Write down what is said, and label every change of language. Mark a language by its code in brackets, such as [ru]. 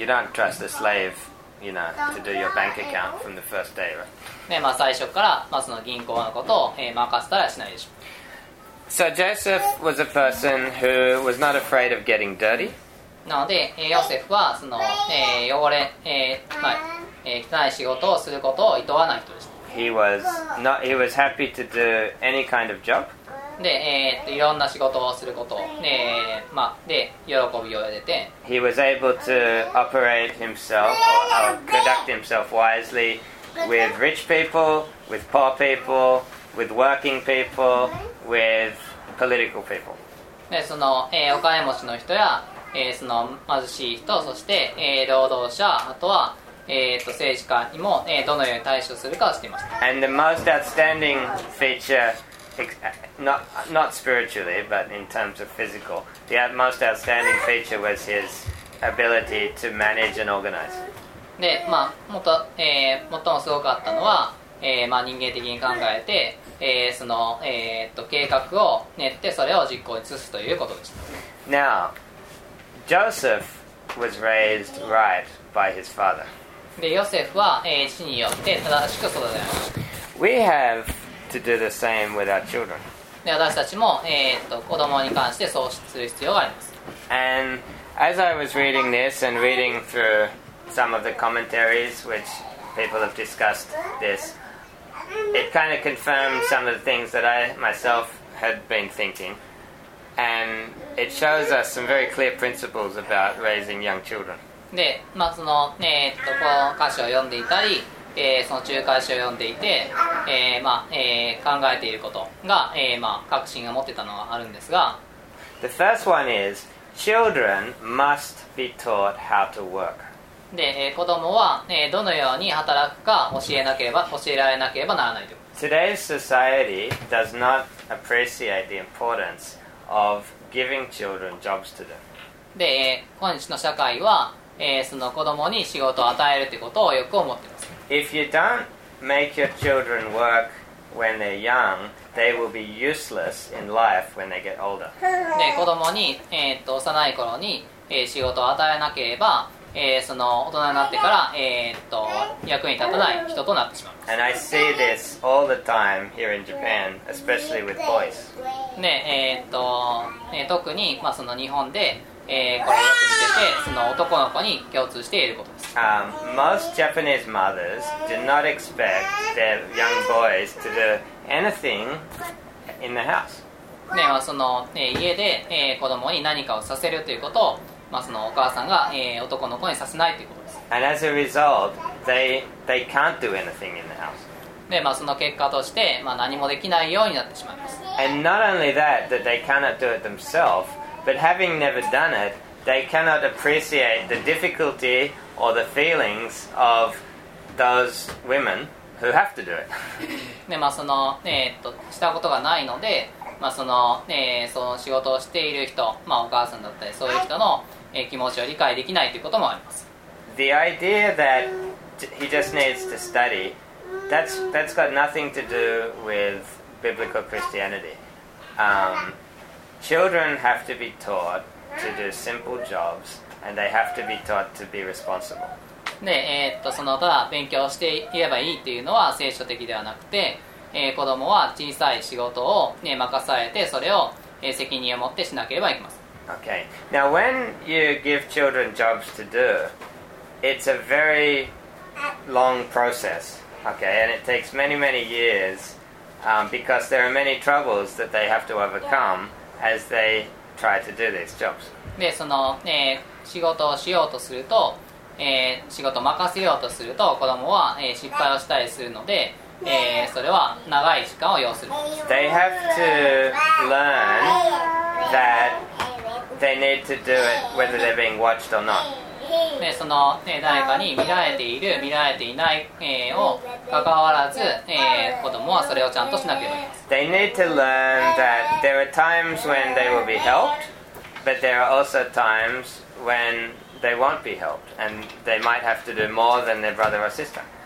[en] You don't trust the slave, you know, to do your bank account from the first day, right? [ja] で、まあ、最初から、まあ、その銀行のことを、任せたりはしないでしょう。 [en] So Joseph was a person who was not afraid of getting dirty. [ja] なので、ヨセフはその、汚れ、まあ、汚い仕事をすることを厭わない人でした。 [en] He was happy to do any kind of job. [ja] で、いろんな仕事をすることを、まあ、で、喜びを得て。 [en] He was able to operate himself or conduct himself wisely with rich people, with poor people. With working people, with political people. [ja] で、その、お金持ちの人や、その貧しい人、そして、労働者、あとは、政治家にも、どのように対処するかをしていました。 [en] And the most outstanding feature, not spiritually, but in terms of physical, the most outstanding feature was his ability to manage and organize. [ja] で、まあ、最もすごかったのは、まあ、人間的に考えて、その、計画を練ってそれを実行に移すということでした。 [en] Now, Joseph was raised right by his father. [ja] で、ヨセフは、父によって正しく育てられました。 [en] We have to do the same with our children. [ja] で、私たちも、子供に関してそうする必要があります。 [en] And as I was reading this and reading through some of the commentaries which people have discussed thisIt kind of confirmed some of the things that I myself had been thinking. And it shows us some very clear principles about raising young children. [ja] で、まあ、その、この歌詞を読んでいたり、その仲介書を読んでいて、まあ、考えていることが、まあ、確信を持ってたのがあるんですが。 [en] The first one is, children must be taught how to work. [ja] で、子供は、どのように働くか教えられなければならないと。 [en] Today's society does not appreciate the importance of giving children jobs to them. [ja] で、今日の社会は、その子供に仕事を与えるということをよく思っています。 [en] If you don't make your children work when they're young, they will be useless in life when they get older. [ja] で、子供に、幼い頃に、仕事を与えなければ、その大人になってから、役に立たない人となってしまう。 [en] And I see this all the time here in Japan, especially with boys. [ja] で、特に、まあ、その日本で、これよく見ててその男の子に共通していることです。 [en] Most Japanese mothers do not expect their young boys to do anything in the house. [ja] で、まあ、その、家で、子供に何かをさせるということをまあ、そのお母さんが、男の子にさせないということです。 [en] And as a result, they can't do anything in the house. [ja] で、まあ、その結果として、まあ、何もできないようになってしまいます。 [en] And not only that they cannot do it themselves, but having never done it, they cannot appreciate the difficulty or the feelings of those women who have to do it. [ja] で、まあ、その、したことがないので、まあ その仕事をしている人、まあ、お母さんだったりそういう人の気持ちを理解できないということもあります。 [en] The idea that he just needs to study, that's got nothing to do with biblical Christianity. Children have to be taught to do simple jobs and they have to be taught to be responsible. [ja] で、そのただ勉強していればいいというのは聖書的ではなくて、子供は小さい仕事を、ね、任されてそれを、責任を持ってしなければいけません。 [en] Okay. Now when you give children jobs to do, it's a very long process. Okay. And it takes many, many years, because there are many troubles that they have to overcome as they try to do these jobs. [ja] で、その、仕事をしようとすると、仕事を任せようとすると子供は、失敗をしたりするので、それは長い時間を要する。 [en] They have to learn that they need to do it whether they're being watched or not. [ja] でその、ね、誰かに見られている見られていない、を関わらず、子供はそれをちゃんとしなければいけません。 [en] They need to learn that there are times when they will be helped but there are also times when they won't be helped and they might have to do more than their brother or sister。